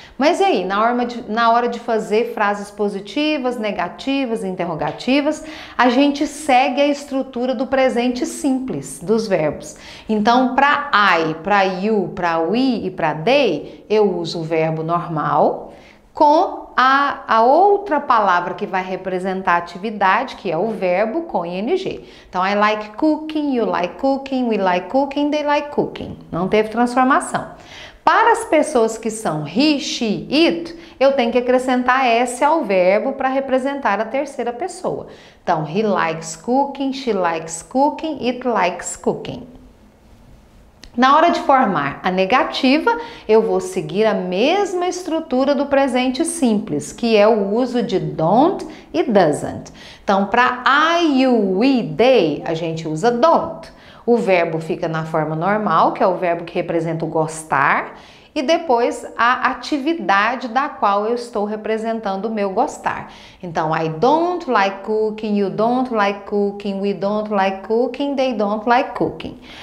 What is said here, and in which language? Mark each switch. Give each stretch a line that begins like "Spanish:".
Portuguese: Mas e aí, na hora de fazer frases positivas, negativas, interrogativas, a gente segue a estrutura do presente simples dos verbos. Então, para I, para you, para we e para they, eu uso o verbo normal com a outra palavra que vai representar a atividade, que é o verbo com ing.
English: Então, I like cooking, you like cooking, we like cooking, they like cooking.
Portuguese: Não teve transformação. Para as pessoas que são he, she, it, eu tenho que acrescentar S ao verbo para representar a terceira pessoa.
English: Então, he likes cooking, she likes cooking, it likes cooking.
Portuguese: Na hora de formar a negativa, eu vou seguir a mesma estrutura do presente simples, que é o uso de don't e doesn't. Então, para I, you, we, they, a gente usa don't. O verbo fica na forma normal, que é o verbo que representa o gostar, e depois a atividade da qual eu estou representando o meu gostar.
English: Então, I don't like cooking, you don't like cooking, we don't like cooking, they don't like cooking.